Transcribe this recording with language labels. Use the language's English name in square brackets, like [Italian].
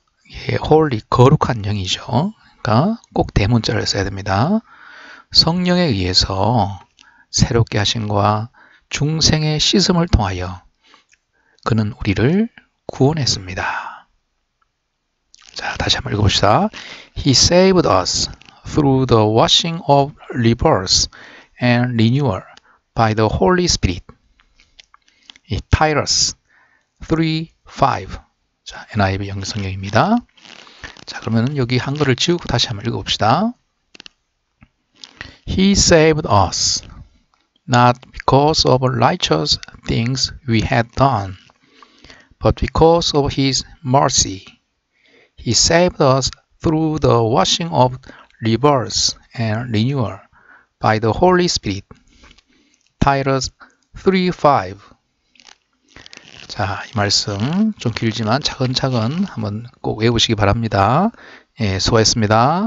[Korean] 예, holy 거룩한 영이죠. 그러니까 꼭 대문자를 써야 됩니다. 성령에 의해서 새롭게 하심과 중생의 씻음을 통하여 그는 우리를 구원했습니다. 자, 다시 한번 읽어봅시다. [English] He saved us through the washing of rebirth and renewal by the Holy Spirit. [Korean] Titus 3, 5. 자, NIV 영어성경입니다. 자, 그러면 여기 한글을 지우고 다시 한번 읽어봅시다. [English] He saved us, not because of righteous things we had done, but because of his mercy. He saved us through the washing of rebirths and renewal by the Holy Spirit. Titus 3:5. [Korean] 자, 이 말씀 좀 길지만 차근차근 한번 꼭 외우시기 바랍니다. 예, 수고했습니다.